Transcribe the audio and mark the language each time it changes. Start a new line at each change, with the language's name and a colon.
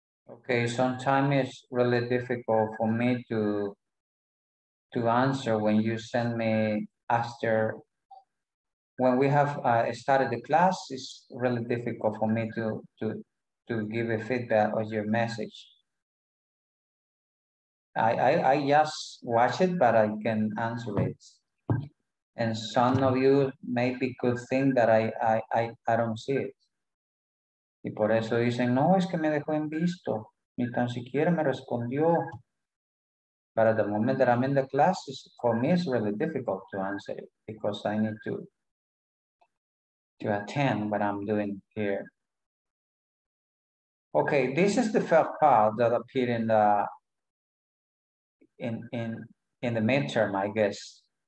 English: Okay, sometimes it's really difficult for me to answer when you send me after, when we have started the class, it's really difficult for me to give a feedback of your message. I just watch it, but I can answer it. And some of you maybe could think that I don't see it.
Spanish: Y por eso dicen, no, es que me dejó en visto. Ni tan siquiera me respondió.
English: But at the moment that I'm in the classes, for me it's really difficult to answer it because I need to attend what I'm doing here. Okay, this is the first part that appeared in the midterm, I guess.